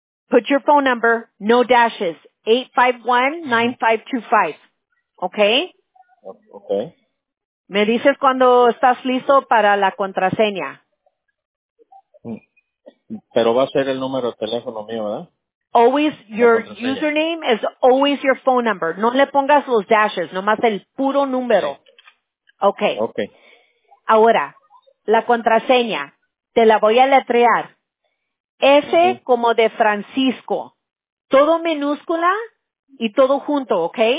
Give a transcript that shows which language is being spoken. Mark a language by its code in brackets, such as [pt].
[en] Put your phone number, no dashes, 851-9525, okay? Okay. [es] ¿Me dices cuando estás listo para la contraseña? Pero va a ser el número de teléfono mío, ¿verdad? [en] Always, your username is always your phone number. [es] No le pongas los dashes, nomás el puro número. Okay. Okay. Ahora, la contraseña, te la voy a letrear. S como de Francisco, todo minúscula y todo junto, ¿ok?